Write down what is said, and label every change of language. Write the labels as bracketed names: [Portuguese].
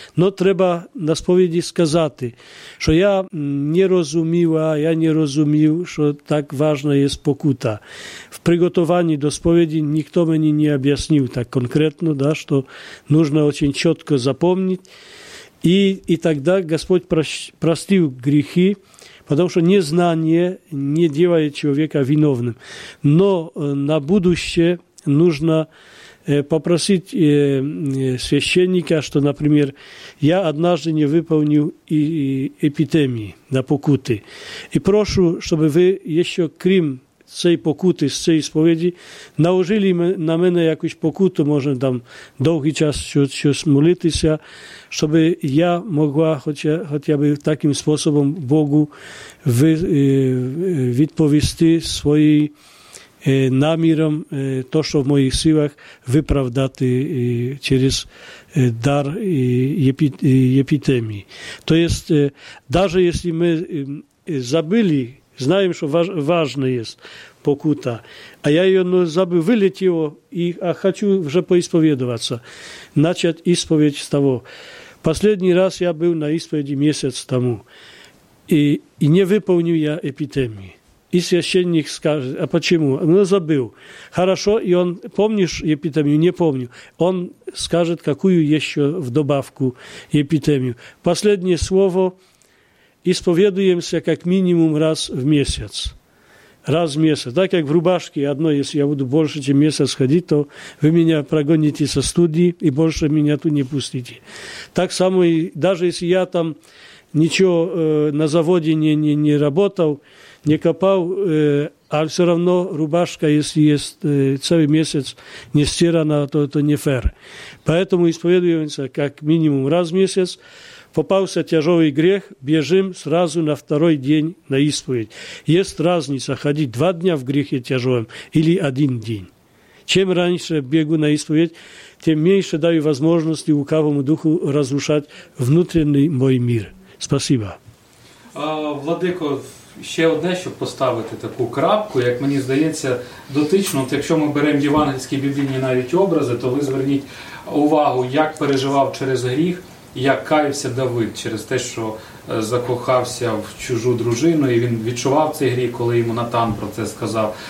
[Ukrainian] Но треба на сповіді сказати, що я не розумів, що так важна є покута. В приготуванні до сповіді ніхто мені не об'яснив так конкретно, да, що нужно дуже чітко запам'ятати. І тогда Господь простив гріхи, тому що незнання не робить чоловіка виновним. [Russian] Но на будущее нужно попросить священника, что, например, я однажды не выполнил эпитемии на покуты. И прошу, чтобы вы еще, крім цей покуты, с цей исповеди, наложили на меня якусь покуту, может, там, долгий час щось молитися, чтобы я могла хотя бы таким способом Богу відповісти свои наміром то, [Ukrainian] що в моїх силах, виправдати через дар епітемії. То є, навіть якщо ми забили, знаємо, що важна є покута, а я її забив, вилетіло, а хочу вже поісповідуватися, почати ісповідь з того. Последній раз я був на ісповіді місяць тому, і не виповнив я епітемії. [Russian] И священник скажет, а почему? Ну, забыл. Хорошо, и он, помнишь епитемию? Не помню. Он скажет, какую еще в добавку епитемию. Последнее слово. Исповедуемся как минимум раз в месяц. Раз в месяц. Так как в рубашке одно, если я буду больше, чем месяц ходить, то вы меня прогоните со студии и больше меня тут не пустите. Так само, и даже если я там ничего на заводе не работал, не копал, а все равно рубашка, если есть целый месяц не стирана, то это не фер. Поэтому исповедуемся как минимум раз в месяц. Попался тяжелый грех, бежим сразу на второй день на исповедь. Есть разница ходить 2 дня в грехе тяжелом или 1 день. Чем раньше бегу на исповедь, тем меньше даю возможности лукавому духу разрушать внутренний мой мир. Спасибо. [Ukrainian] Владыко, ще одне, щоб поставити таку крапку, як мені здається, дотично, от якщо ми беремо євангельські біблійні навіть образи, то ви зверніть увагу, як переживав через гріх, як каявся Давид через те, що закохався в чужу дружину, і він відчував цей гріх, коли йому Натан про це сказав.